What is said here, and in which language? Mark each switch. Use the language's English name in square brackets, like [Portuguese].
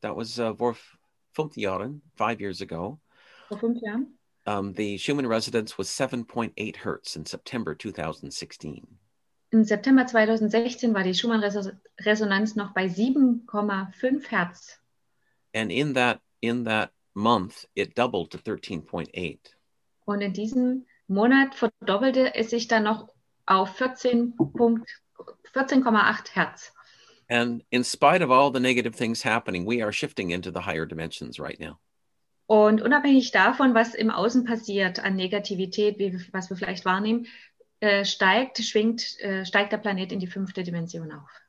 [English] That was [German] vor 5 Jahren, [English] 5 years ago. [German] Vor 5 Jahren. [English] The Schumann resonance was 7.8 hertz in September 2016. [German] In September 2016 war die Schumann-Resonanz noch bei 7,5 hertz. [English] And in that month, it doubled to 13.8. [German] Und in diesem Monat verdoppelte es sich dann noch auf 14,8 Hertz. [English] And in spite of all the negative things happening, we are shifting into the higher dimensions right now. [German] Und unabhängig davon, was im Außen passiert an Negativität, was wir vielleicht wahrnehmen, steigt der Planet in die fünfte Dimension auf.